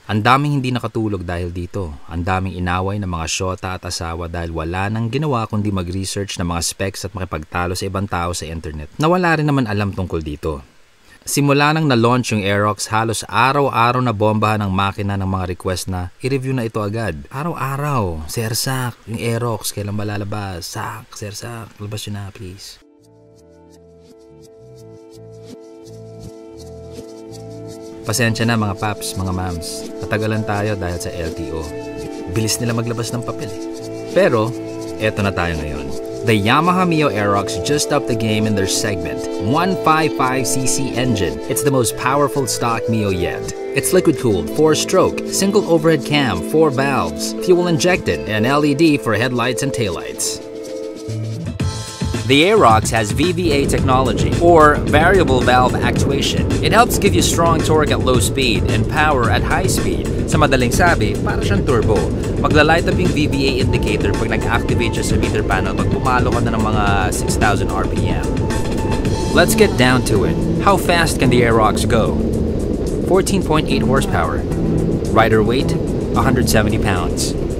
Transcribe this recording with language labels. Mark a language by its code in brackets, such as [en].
[tl] Ang daming hindi nakatulog dahil dito. Ang daming inaway ng mga syota at asawa dahil wala nang ginawa kundi mag-research ng mga specs at makipagtalo sa ibang tao sa internet. Nawala rin naman alam tungkol dito. Simula nang na-launch yung Aerox, halos araw-araw na bombahan ng makina ng mga request na i-review na ito agad. Araw-araw, Sir Sak, yung Aerox, kailan ba lalabas? Sak, Sir Sak, labas yun na, please. Pasensya na mga paps, mga mams. Natagalan tayo dahil sa LTO. Bilis nila maglabas ng papel eh. Pero, eto na tayo ngayon. [en] The Yamaha Mio Aerox just upped the game in their segment, 155cc engine. It's the most powerful stock Mio yet. It's liquid-cooled, 4-stroke, single overhead cam, 4 valves, fuel-injected, and LED for headlights and taillights. The Aerox has VVA technology, or variable valve actuation. It helps give you strong torque at low speed and power at high speed. [tl] Sa madaling sabi, para siyang turbo. Magla-light up yung VVA indicator pag nag-activate siya sa meter panel pag pumalo ka na ng mga 6,000 RPM. [en] Let's get down to it. How fast can the Aerox go? 14.8 horsepower. Rider weight, 170 pounds.